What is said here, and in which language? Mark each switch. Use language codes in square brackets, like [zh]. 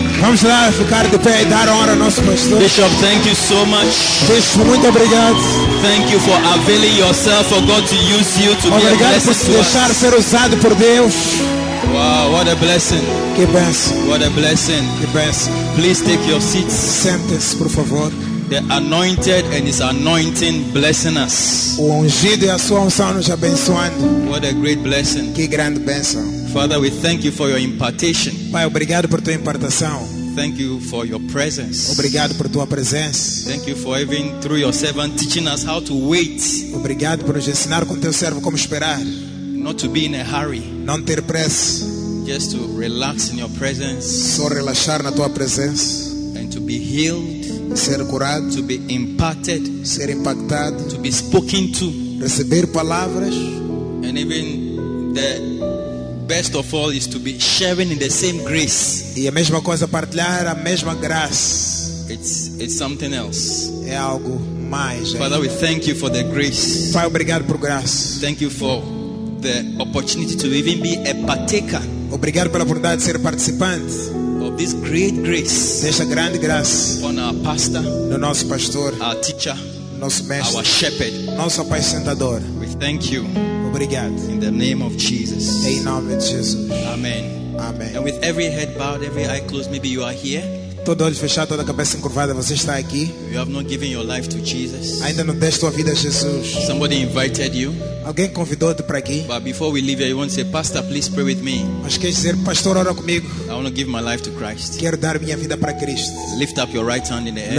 [pt] Vamos lá ficar de pé e dar honra ao nosso pastor. [en] Bishop, thank you so much. [pt] Bishop, muito obrigado. [en] Thank you for availing yourself for God to use you to [pt] obrigado [en] be a blessing [pt] por deixar [en] us. [pt] Ser usado por Deus. [en] Wow, what a blessing. [pt] Que bênção. [en] What a blessing. [pt] Que bênção. [en] Please take your seats. [pt] Sente-se, por favor. [en] The anointed and his anointing blessing us. [pt] O ungido e a sua unção nos abençoando. [en] What a great blessing. [pt] Que grande bênção. [en] Father, we thank you for your impartation. [pt] Pai, obrigado por tua impartação. [en] Thank you for your presence. [pt] Obrigado por tua presença. [en] Thank you for even through your servant teaching us how to wait. [pt] Obrigado por nos ensinar com teu servo como esperar. [en] Not to be in a hurry. [pt] Não ter pressa. [en] Just to relax in your presence. [pt] Só relaxar na tua presença. [en] And to be healed. [pt] Ser curado. [en] To be imparted. [pt] Ser impactado. [en] To be spoken to. [pt] Receber palavras. [en] And even the best of all is to be sharing in the same grace. [pt] E a mesma coisa, partilhar a mesma graça. [en] It's something else. [pt] É algo mais. [en] Father, we thank you for the grace. [pt] Pai, obrigado por graça. [en] Thank you for the opportunity to even be a partaker. [pt] Obrigado pela oportunidade de ser participante [en] of this great grace. [pt] Desta grande graça. [en] On our pastor. [pt] No nosso pastor. [en] Our teacher. [pt] Nosso mestre. [en] Our shepherd. [pt] Nosso apacentador. [en] We thank you. [pt] Obrigado. [en] In the name of Jesus. [pt] Em nome de Jesus. [en] Amen. [pt] Amen. [en] And with every head bowed, every eye closed, maybe you are here. [pt] Todo olho fechado, toda cabeça encurvada, você está aqui. [en] You have not given your life to Jesus. [pt] Ainda não deste tua vida a Jesus. [en] Somebody invited you. [pt] Alguém convidou-te para aqui. [en] But before we leave here, you want to say, Pastor, please pray with me. [pt] Mas quer dizer, pastor, ora comigo. [en] I want to give my life to Christ. [pt] Quero dar minha vida para Cristo. [en] Lift up your right hand in the air.